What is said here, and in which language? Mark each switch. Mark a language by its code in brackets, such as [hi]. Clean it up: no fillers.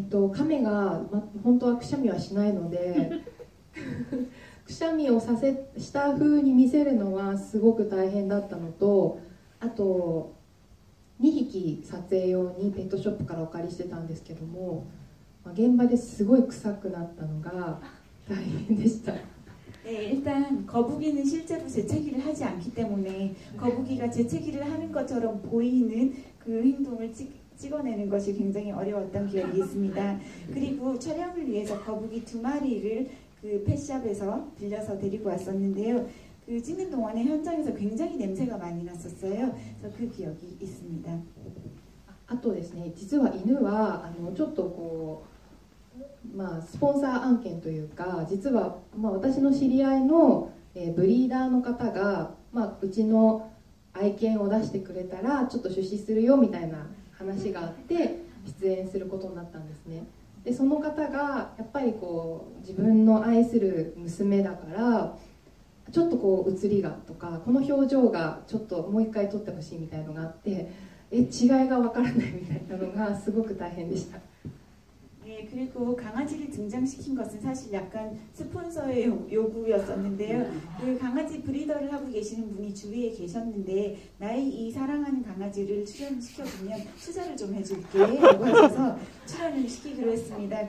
[ja] 카메가本当はくしゃみはしないのでくしゃみをさせした風に見せるのはすごく大変だったのとあと2匹撮影用にペットショップからお借りしてたんですけども現場ですごい臭くなったのが大変でした [ko] 일단 거북이는 실제로 재채기를 하지 않기 때문에 거북이가 재채기를 하는 것처럼 보이는 그 행동을 찍어내는 것이 굉장히 어려웠던 기억이 있습니다. 그리고 촬영을 위해서 거북이 두 마리를 그 펫샵에서 빌려서 데리고 왔었는데요. 그 찍는 동안에 현장에서 굉장히 냄새가 많이 났었어요. 그래서 그 기억이 있습니다. 아, 또 [ja] ですね, 実はまあ私の知り合いのブリーダーの方がまあうちの愛犬を出してくれたらちょっと出資するよみたいな話があって出演することになったんですね。でその方がやっぱりこう自分の愛する娘だからちょっとこう写りがとかこの表情がちょっともう一回撮ってほしいみたいのがあって、え違いがわからないみたいなのがすごく大変でした。 [ko] 네, 그리고 강아지를 등장시킨 것은 사실 약간 스폰서의 요구였었는데요. 그 강아지 브리더를 하고 계시는 분이 주위에 계셨는데 나의 이 사랑하는 강아지를 출연시켜주면 투자를 좀 해줄게 라고 하셔서 출연을 시키기로 했습니다.